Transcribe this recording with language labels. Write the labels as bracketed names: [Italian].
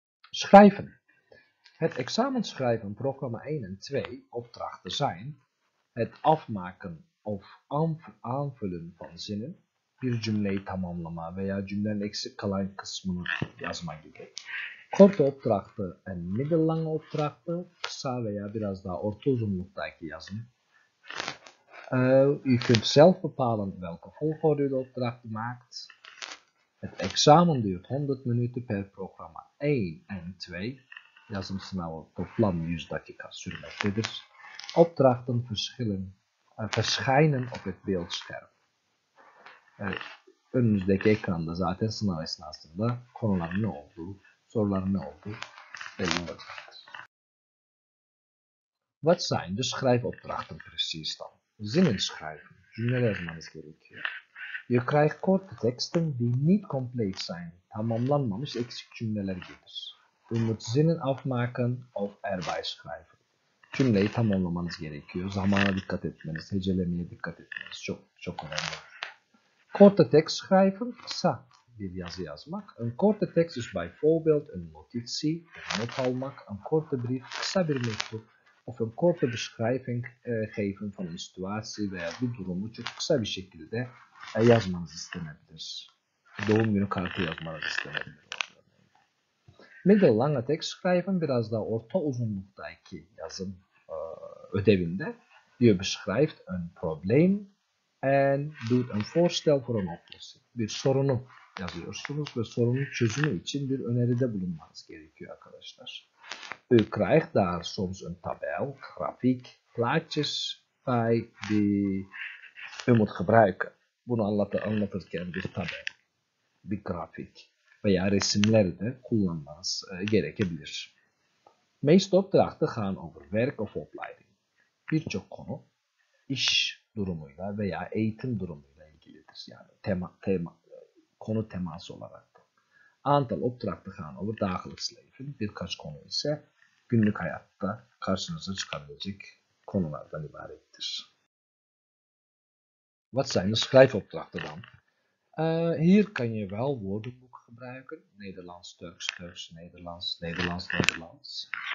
[Dutch] Schrijven. Het examenschrijven programma 1 en 2 opdrachten zijn het afmaken of aanvullen van zinnen, [Turkish] bir cümleyi tamamlama veya cümlenin eksik kalan kısmını yazma gibi. [Dutch] Korte opdrachten en middellange opdrachten, [Turkish] kısa veya biraz daha orta uzunluktaki yazım. [Dutch] U kunt zelf bepalen welke volgorde u de opdrachten maakt. Het examen duurt 100 minuten per programma 1 en 2. [Turkish] Yazım sınavı toplam 100 dakika sürmektedir. [Dutch] Opdrachten verschijnen op het beeldscherm. [Turkish] Önümüzdeki ekranda zaten sınav esnasında konular ne olduğu, sorular ne olduğu belli olacaktır. [Dutch] Wat zijn de schrijfopdrachten precies dan? Zinnen schrijven, [Turkish] cümleler yazmanız gerekiyor. [Dutch] Je krijgt korte teksten die niet compleet zijn, [Turkish] tamamlanmamış eksik cümleler gelir. [Dutch] U moet zinnen afmaken of erbij schrijven. [Turkish] Cümleyi tamamlamanız gerekiyor, zamana dikkat etmeniz, hecelemeye dikkat etmeniz çok çok önemli. [Dutch] Korte tekst schrijven, [Turkish] kısa bir yazı yazmak. [Dutch] Een korte tekst is bijvoorbeeld een notitie, een [Turkish] not almak, [Dutch] een korte brief, [Turkish] kısa bir mektup. [Dutch] Of een korte beschrijving geven van een situatie [Turkish] veya bir durumu çok kısa bir şekilde yazmanız istenebilir. Doğum günü kartı yazmanız istenebilir. [Dutch] Middellange tekst schrijven [Turkish] biraz daha orta uzunluktaki yazım ödevinde. [Dutch] Je beschrijft een probleem en doet een voorstel voor een oplossing. [Turkish] Bir sorunu yazıyorsunuz ve sorunun çözümü için bir öneride bulunmanız gerekiyor arkadaşlar. [Dutch] U krijgt daar soms een tabel, grafiek, plaatjes bij die u moet gebruiken. [Turkish] Bunu anlatırken bir tabel, bir grafik veya resimleri de kullanmanız gerekebilir. [Dutch] Meeste opdrachten gaan over werk of opleiding. [Turkish] Birçok konu iş durumuyla veya eğitim durumuyla ilgilidir. Yani konu teması olarak. [Dutch] Aantal opdrachten gaan over dagelijks leven. [Turkish] Birkaç konu ise günlük hayatta karşınıza çıkabilecek konulardan ibarettir. [Dutch] Wat zijn de schrijfopdrachten dan? Hier kan je wel woordenboek gebruiken. Nederlands, Turks, Turks, Nederlands, Nederlands, Nederlands.